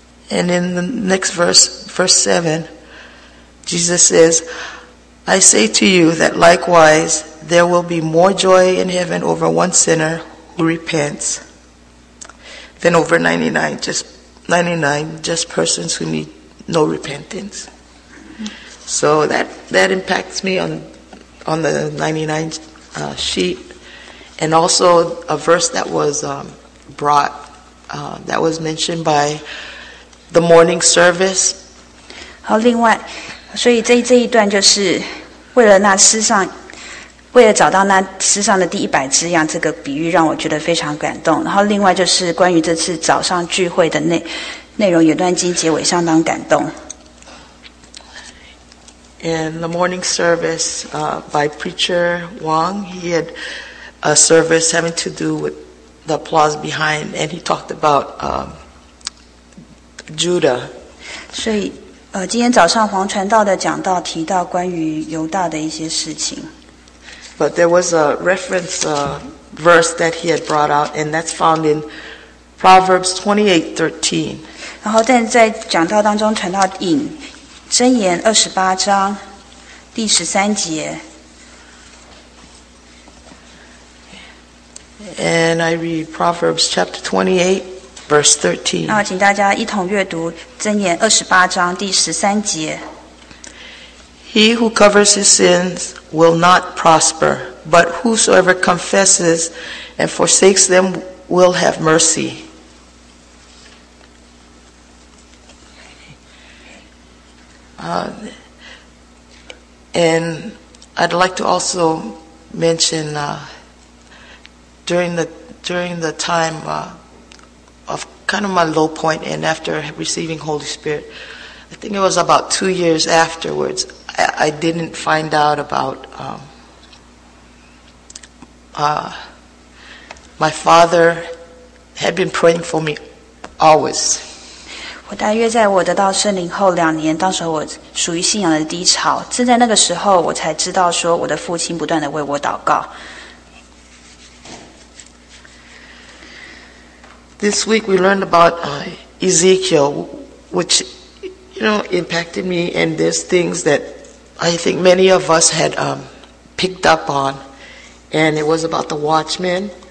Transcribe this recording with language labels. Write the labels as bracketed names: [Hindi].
[English] And in the next verse, verse 7, Jesus says, I say to you that likewise, there will be more joy in heaven over one sinner who repents than over 99 just persons who need no repentance. So that impacts me on the 99 sheep. And also a verse that was brought, that was mentioned by the morning service. [Chinese] 好，另外，所以这一段就是为了那失上，为了找到那失上的第一百只羊，这个比喻让我觉得非常感动。然后另外就是关于这次早上聚会的内容，有段经节我相当感动。 [English] In the morning service by Preacher Wong, he had a service having to do with the applause behind, and he talked about Judah. [Chinese] 所以，今天早上黄传道的讲道提到关于犹大的一些事情。 [English] But there was a reference verse that he had brought out, and that's found in Proverbs 28:13. [Chinese] 然后，但在讲道当中传道引。箴言二十八章第十三节。 [English] And I read Proverbs chapter 28, verse 13. [Chinese] 请大家一同阅读箴言二十八章第十三节。 [English] He who covers his sins will not prosper, but whosoever confesses and forsakes them will have mercy. And I'd like to also mention during the time of kind of my low point and after receiving Holy Spirit, I think it was about 2 years afterwards, I didn't find out about my father had been praying for me always. [Chinese] 我大约在我得到圣灵后两年，当时我属于信仰的低潮，正在那个时候我才知道说我的父亲不断地为我祷告。 [English] This week we learned about Ezekiel, which you know impacted me, and there's things that I think many of us had picked up on, and it was about the watchmen.